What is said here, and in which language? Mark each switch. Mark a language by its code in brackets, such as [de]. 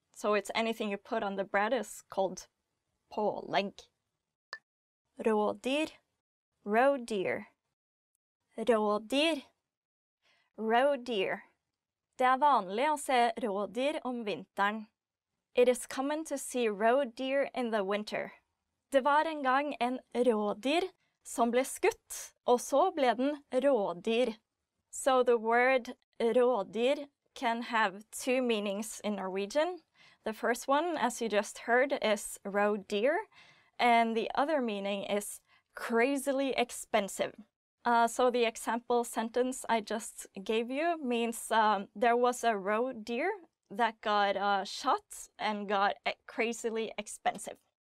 [en] So it's anything you put on the bread is called pålegg. [no] Rådyr. Rådyr. Rådyr. Rådyr. Det vanlig å se rådyr om vinteren. [en] It is common to see rådyr in the winter. [no] Det en gang en rådyr som ble skutt, og så ble den rådyr. [en] So the word rådyr can have two meanings in Norwegian. The first one, as you just heard, is rådyr, and the other meaning is crazily expensive. So the example sentence I just gave you means there was a roe deer that got shot and got crazily expensive.